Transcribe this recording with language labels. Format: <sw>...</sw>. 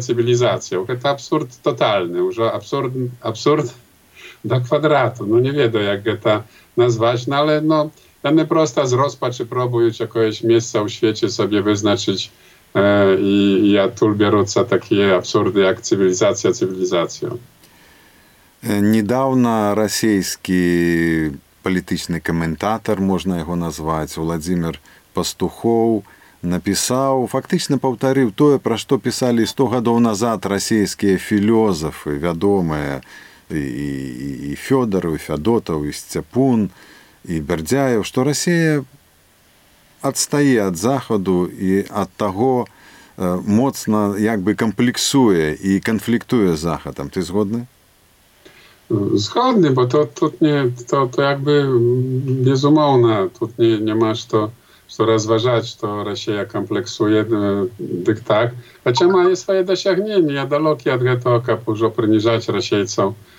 <be>Гэта абсурд тотальны, ўжо абсурд да квадрату. Не ведаю, як гэта назваць, але яны проста з розпачы пробуюць якоесь месца ў свеце сабе вызначыць, і адтуль бяруцца такія абсурды, як цывілізацыя.</be> <ru>Недавно российский политический комментатор, можно его назвать, Владимир Пастухов, написал, фактически повторил то, про что писали 100 годов назад российские философы, ведомые и Федоров, и Федотов, и Степун, и Бердяев, что Россия отстает от Захода и от того, мощно комплексует и конфликтует с Заходом.</ru> <be>Ты згодны? Згодны, бо безумоўна, тут няма што разважаць, што Расія камплексуе, дык так. Хаця мае свае дасягненні, я далёкі ад гэтага, каб ўжо прыніжаць расейцаў.</be>